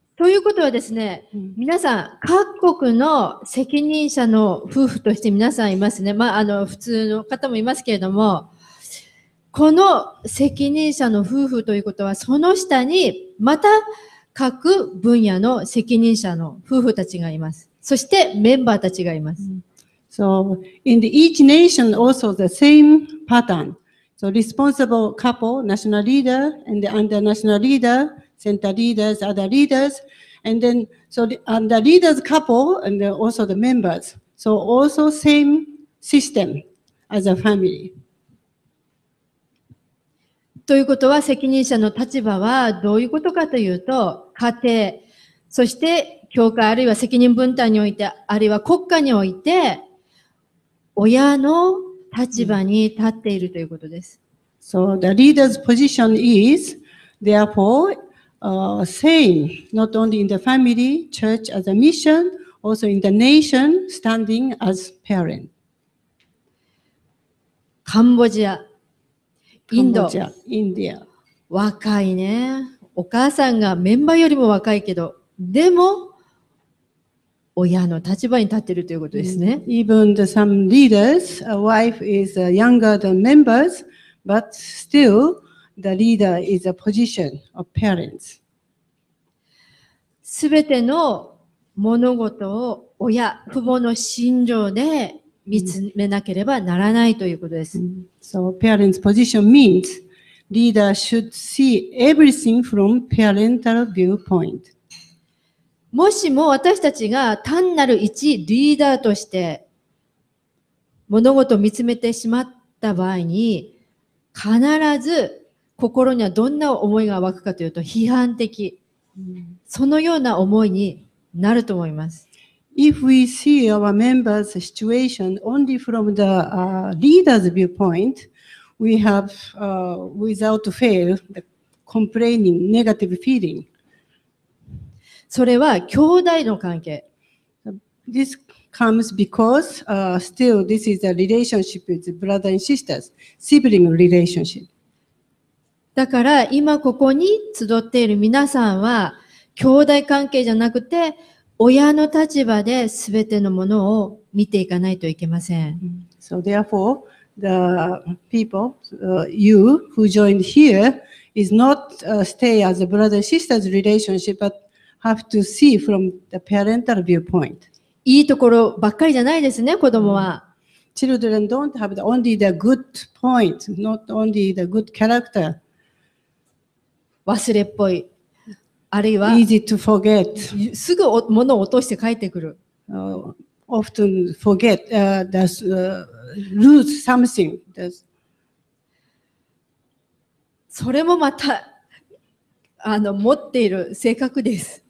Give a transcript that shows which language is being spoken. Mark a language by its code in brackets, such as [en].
[ja] ということはですね、皆さん、各国の責任者の夫婦として皆さんいますね。まあ、普通の方もいますけれども、この責任者の夫婦ということは、その下にまた各分野の責任者の夫婦たちがいます。そしてメンバーたちがいます。 [en] So, in the each nation also the same pattern. So, responsible couple, national leader, and the under national leader, center leaders, other leaders, and then, so the under leaders couple, and also the members. So, also same system as a family. [ja] ということは責任者の立場はどういうことかというと、家庭、そして教会、あるいは責任分担において、あるいは国家において、親の立場に立っているということです。 [en] So the leader's position is therefore, same, not only in the family, church as a mission, also in the nation, standing as parent. [ja] カンボジア、インド、 [en] インディア。 [ja] 若いね。お母さんがメンバーよりも若いけど、でも、親の立場に立ってるということですね。 [en] Even the some leaders, a wife is younger than members, but still, the leader is a position of parents. [ja] すべての物事を親、父母の心情で見つめなければならないということです。 [en] So, parent's position means leader should see everything from parental viewpoint. [ja] もしも私たちが単なる一リーダーとして物事を見つめてしまった場合に必ず心にはどんな思いが湧くかというと批判的、そのような思いになると思います。 [en] If we see our members' situation only from the leader's viewpoint, we have without fail the complaining negative feeling. [ja] それは兄弟の関係。 [en] This comes because, still this is a relationship with brothers and sisters, sibling relationship. [ja] だから今ここに集っている皆さんは兄弟関係じゃなくて親の立場で全てのものを見ていかないといけません。 [en] So therefore, the people, you who joined here is not stay as a brother and sister's relationship, butHave to see from the parental viewpoint. [ja] いいところばっかりじゃないですね、子供は。 [en] Children don't have only the good point, not only the good character. [ja] 忘れっぽい。あるいは、 [en] easy to forget. [ja] すぐ物を落として帰ってくる。 [en] Often forget, lose something. [ja] それもまた、持っている性格です。